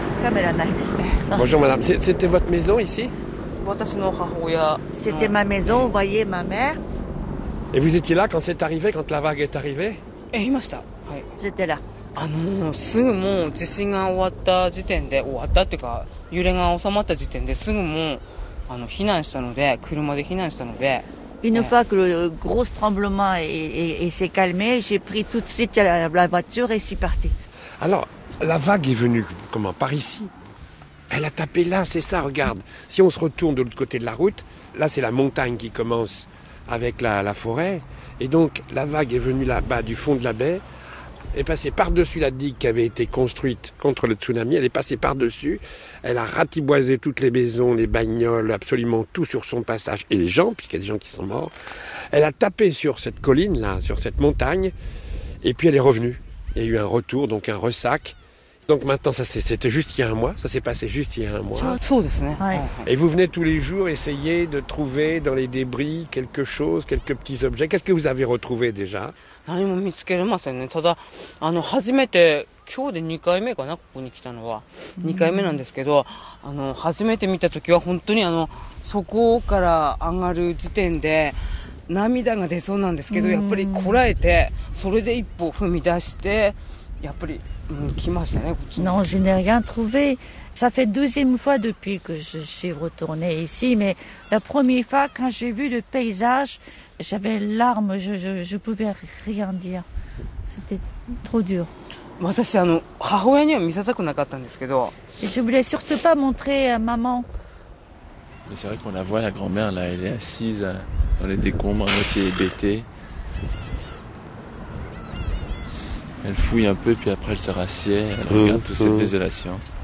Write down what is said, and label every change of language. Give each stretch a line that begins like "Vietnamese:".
Japanese: めらないですね。
French: Bonjour madame, c'était votre maison ici? C'était ma maison, vous voyez ma mère. Et vous étiez là quand c'est arrivé, quand la vague est arrivée? Et il m'a J'étais là.
Japanese: すぐもう地震が終わった時点で、終わったっていうか、揺れが収まった時点ですぐもう避難したので、車で避難したので。
French: Une fois que le gros tremblement s'est calmé, j'ai pris tout de suite la voiture et suis parti. Alors, la vague est venue comment? Par ici? Elle a tapé là, c'est ça, regarde. Si on se retourne de l'autre côté de la route, là c'est la montagne qui commence avec la forêt. Et donc, la vague est venue là-bas du fond de la baie. Est passée par-dessus la digue qui avait été construite contre le tsunami, elle est passée par-dessus, elle a ratiboisé toutes les maisons, les bagnoles, absolument tout sur son passage, et les gens, puisqu'il y a des gens qui sont morts. Elle a tapé sur cette colline, là, sur cette montagne, et puis elle est revenue. Il y a eu un retour, donc un ressac. Donc maintenant, ça, c'était juste il y a un mois, ça s'est passé juste il y a un mois. Et vous venez tous les jours essayer de trouver dans les débris quelque chose, quelques petits objets. Qu'est-ce que vous avez retrouvé déjà ?
Japanese: 何も見つけれませんね。ただ、初めて、今日で2回目かな、ここに来たのは。 2回目なんですけど、初めて見たときは本当にそこから上がる時点で、涙が出そうなんですけど、やっぱりこらえて、それで一歩踏み出して、やっぱり、来ましたね、こっちに。
French: Non, je n'ai rien trouvé. Ça fait deuxième fois depuis que je suis retournée ici, mais la première fois, quand j'ai vu le paysage,J'avais larmes, je pouvais rien dire. C'était trop dur.
Japanese: 私あの母親には見せたくなかったんですけど。
French: Et je voulais surtout pas montrer à maman. Mais c'est vrai qu'on la voit, la grand-mère, là, elle est assise dans les décombres, à moitié hébétée. Elle fouille un peu, puis après elle se rassied, elle regarde toute cette désolation.